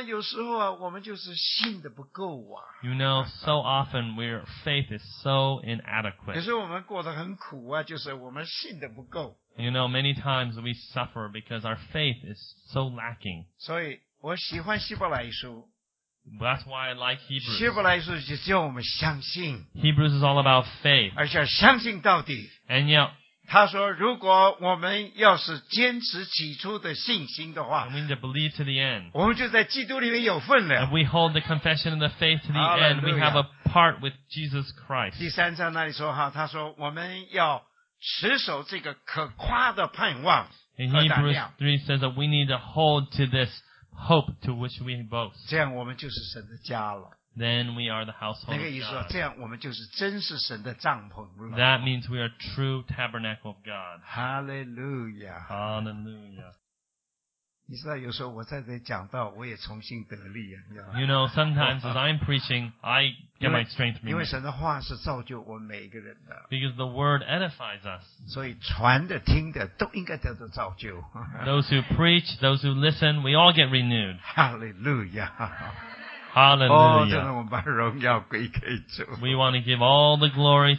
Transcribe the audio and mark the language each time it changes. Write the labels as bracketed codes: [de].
[zh] 有时候啊，我们就是信的不够啊。 [en] You know, so often our faith is so inadequate. [zh] 可是我们过得很苦啊，就是我们信的不够。 [en] You know, many times we suffer because our faith is so lacking. [zh] 所以我喜欢希伯来书。 [en] That's why I like Hebrews. [zh] 希伯来书就叫我们相信。 [en] Hebrews is all about faith. [zh] 而且相信到底。 [en] And yet, [zh] 他说如果我们要是坚持起初的信心的话， [en] and we need to believe to the end. [zh] 我们就在基督里面有份了。 [en] And we hold the confession of the faith to the end. We have a part with Jesus Christ. [zh] 第三章那里说哈，他说我们要持守这个可夸的盼望和胆量。 [en] In Hebrews 3 says that we need to hold to this hope to which we boast. [zh] 这样我们就是神的家了。 [en] Then we are the household of God. [zh] 那个意思说，这样我们就是真是神的帐篷。 [en] That means we are true tabernacle of God. Hallelujah. Hallelujah. [zh] 你知道，有时候我在这讲到，我也重新得力啊。 [en] You know, sometimes as I'm preaching, I get my strength renewed. [zh] 因为神的话是造就我每一个人的。 [en] Because the word edifies us. [zh] 所以传的、听的都应该得到造就。 [en] Those who preach, those who listen, we all get renewed. Hallelujah. Hallelujah. Oh, we want to give all the glory to